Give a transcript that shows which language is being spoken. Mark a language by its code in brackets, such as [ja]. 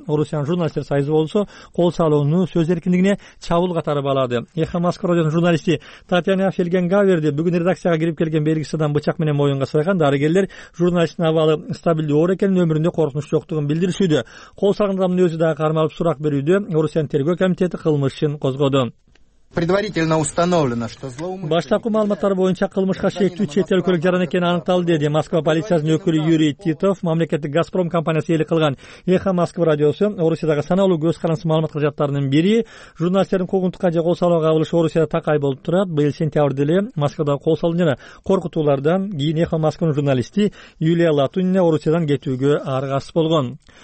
[ky] Орусиянын журналисттер союзу болсо кол салууну сөз эркиндигине чабуул катары баалады. Эхо Москвы радиосунун журналисти Татьяна Фельгенгаверди бүгүн редакцияга кирип келген белгисиз адам бычак менен моюнга сайган. Дарыгерлер журналисттин абалы стабилдүү оор экенин, өмүрүндө коркунуч жоктугун билдиришүүдө. Кол салган адамдын өзү дагы кармалып сурак берүүдө. Орусиянын тергөө комитети кылмыш ишин козгоду. [ru] Предварительно установлено, что злоумышленник. [ky] Баштапкы маалыматтар боюнча кылмышка шектүү чет өлкөлүк жаран экени аныкталды, деди Москва полициясынын өкүлү Юрий Титов. Мамлекеттик Газпром компаниясы ээлик кылган Эхо Москвы радиосу Орусиядагы саналуу көз карансыз маалымат каражаттарынын бири. Журналисттердин куугунтукка же кол салууга кабылышы Орусияда такай болуп турат. Быйыл сентябрда эле Москвадагы кол салуу жана коркутуулардан кийин Эхо Москвынын журналисти Юлия Латунина Орусиядан кетүүгө аргасыз болгон.